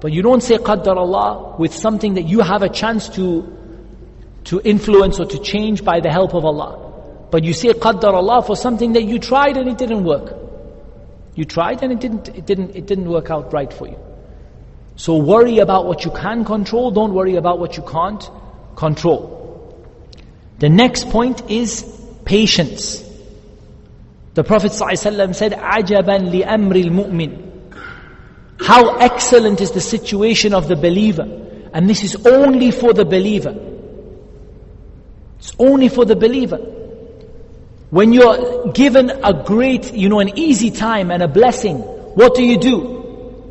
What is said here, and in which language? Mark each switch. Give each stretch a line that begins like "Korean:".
English: But you don't say, قَدَّرَ اللَّهُ with something that you have a chance to influence or to change by the help of Allah. But you say, قَدَّرَ اللَّهُ for something that you tried and it didn't work. You tried and it didn't work out right for you. So worry about what you can control, don't worry about what you can't control. The next point is patience. The Prophet ﷺ said,
Arabic: عَجَبًا لِأَمْرِ الْمُؤْمِنِ.
English: How excellent is the situation of the believer. And this is only for the believer. It's only for the believer. When you're given a great, you know, an easy time and a blessing, what do?